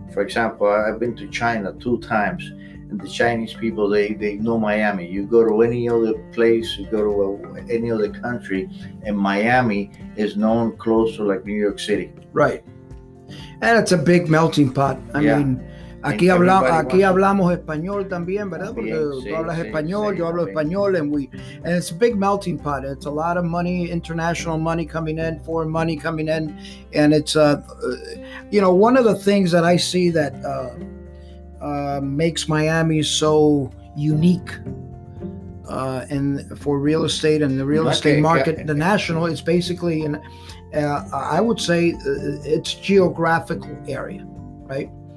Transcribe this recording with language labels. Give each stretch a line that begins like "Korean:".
English: For example, I've been to China 2 times. And the Chinese people, they know Miami. You go to any other place, you go to any other country, and Miami is known close to like New York City. Right. And it's a big melting pot. I mean,
Spanish: aquí hablamos español también, ¿verdad? Porque tú hablas español, yo hablo español,
English: and it's a big melting pot. It's a lot of money, international money coming in, foreign money coming in. And it's, one of the things that I see that makes Miami so unique and for real estate and the real estate market, the national, it's basically, I would say it's geographical area, right?